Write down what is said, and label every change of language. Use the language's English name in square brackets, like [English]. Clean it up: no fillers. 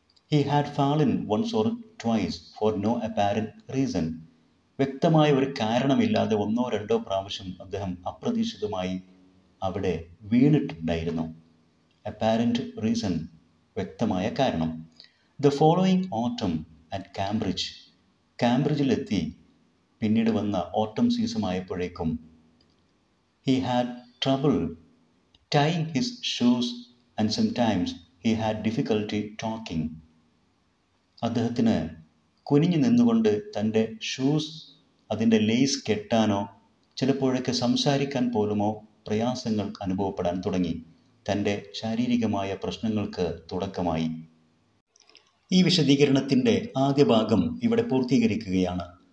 [English] he had fallen once or twice for no apparent reason [Malayalam] വ്യക്തമായ ഒരു കാരണമില്ലാതെ ഒന്നോ രണ്ടോ പ്രാവശ്യം അദ്ദേഹം അപ്രതീക്ഷിതമായി അവിടെ വീണിട്ടുണ്ടായിരുന്നു [English] apparent reason [Malayalam] വ്യക്തമായ കാരണം [English] the following autumn at Cambridge [Malayalam] കാംബ്രിഡ്ജിലെത്തി പിന്നീട് വന്ന ഓട്ടം സീസൺ ആയപ്പോഴേക്കും [English] He had trouble tying his shoes and sometimes he had difficulty talking. [Malayalam] അദ്ദേഹത്തിന് കുനിഞ്ഞു നിന്നുകൊണ്ട് തൻ്റെ ഷൂസ് അതിൻ്റെ ലേസ് കെട്ടാനോ ചിലപ്പോഴൊക്കെ സംസാരിക്കാൻ പോലുമോ പ്രയാസങ്ങൾ അനുഭവപ്പെടാൻ തുടങ്ങി. തൻ്റെ ശാരീരികമായ പ്രശ്നങ്ങൾക്ക് തുടക്കമായി. ഈ വിശദീകരണത്തിൻ്റെ ആദ്യ ഭാഗം ഇവിടെ പൂർത്തീകരിക്കുകയാണ്.